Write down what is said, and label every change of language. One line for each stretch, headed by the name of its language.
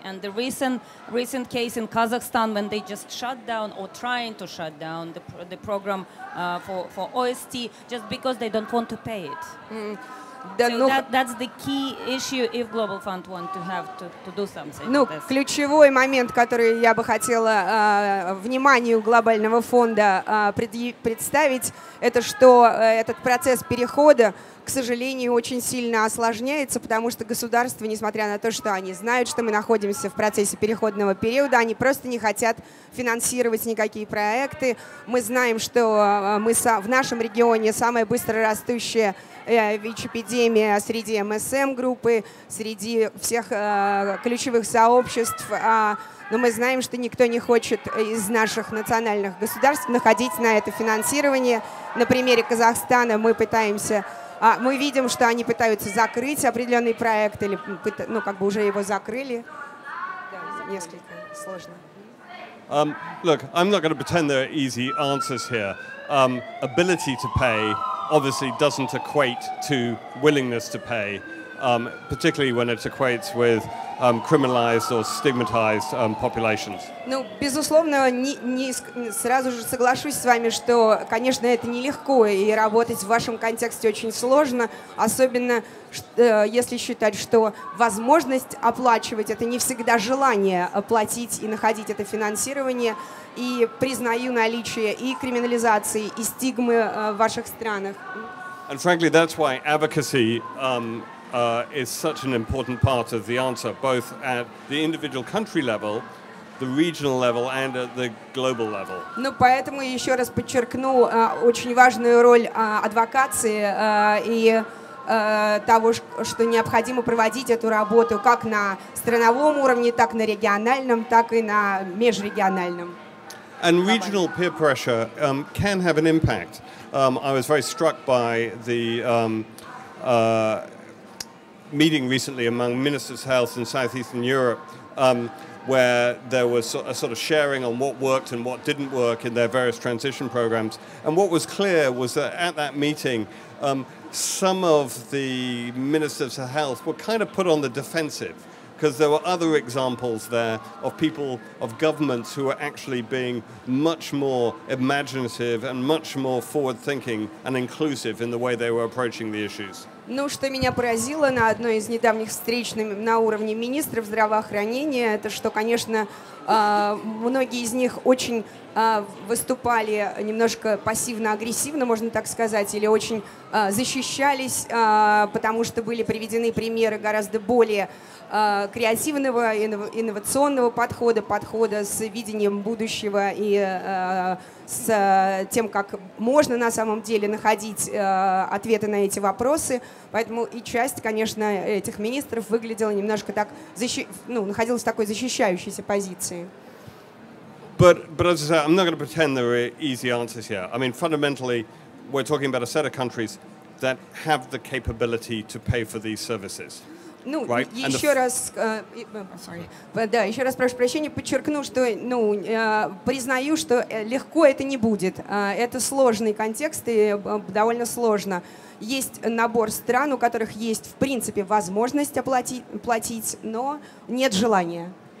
English: And the recent case in Kazakhstan, when they just shut down or trying to shut down the program for OST, just because they don't want to pay it. That's the key issue if Global Fund want to have to do something.
Russian: Ну,
English: this.
Russian: Ключевой момент, который я бы хотела вниманию глобального фонда представить, это что этот процесс перехода, к сожалению, очень сильно осложняется, потому что государства, несмотря на то, что они знают, что мы находимся в процессе переходного периода, они просто не хотят финансировать никакие проекты. Мы знаем, что мы в нашем регионе самая быстро растущая ВИЧ-эпидемия среди МСМ-группы, среди всех ключевых сообществ. Но мы знаем, что никто не хочет из наших национальных государств находить на это финансирование. На примере Казахстана мы пытаемся... мы видим, что они пытаются закрыть определенный проект, или ну, как бы уже его закрыли. Да, несколько сложно.
English: Look, I'm not going to pretend there are easy answers here. Ability to pay obviously doesn't equate to willingness to pay, particularly when it equates with criminalized or stigmatized populations.
Russian: Ну, безусловно, не сразу же соглашусь с вами, что, конечно, это нелегко, и работать в вашем контексте очень сложно, особенно если считать, что возможность оплачивать — это не всегда желание оплатить и находить это финансирование. И признаю наличие и криминализации, и стигмы в ваших странах.
English: And frankly, that's why advocacy is such an important part of the answer, both at the individual country level, the regional level, and at the global level.
Russian: Ну, поэтому еще раз подчеркну очень важную роль адвокации и того, что необходимо проводить эту работу как на страновом уровне, так на региональном, так и на межрегиональном.
English: And regional peer pressure can have an impact. I was very struck by the meeting recently among ministers of health in southeastern Europe, where there was a sort of sharing on what worked and what didn't work in their various transition programs. And what was clear was that at that meeting, some of the ministers of health were kind of put on the defensive, because there were other examples there of people, of governments who were actually being much more imaginative and much more forward-thinking and inclusive in the way they were approaching the issues.
Russian: Ну, что меня поразило на одной из недавних встреч на уровне министров здравоохранения, это что, конечно, многие из них очень выступали немножко пассивно-агрессивно, можно так сказать, или очень защищались, потому что были приведены примеры гораздо более креативного, инновационного подхода, подхода с видением будущего и с тем, как можно на самом деле находить ответы на эти вопросы. Поэтому и часть, конечно, этих министров выглядела немножко так, ну, находилась в такой защищающейся позиции.
English: But as I said, I'm not going to pretend there are easy answers here. I mean, fundamentally, we're talking about a set of countries that have the capability to pay for these services.
Russian: Ну,
English: right?
Russian: Еще раз, да, еще раз прошу прощения, подчеркну, что, ну, признаю, что легко это не будет. Это сложный контекст и довольно сложно. Есть набор стран, у которых есть, в принципе, возможность платить, но нет желания.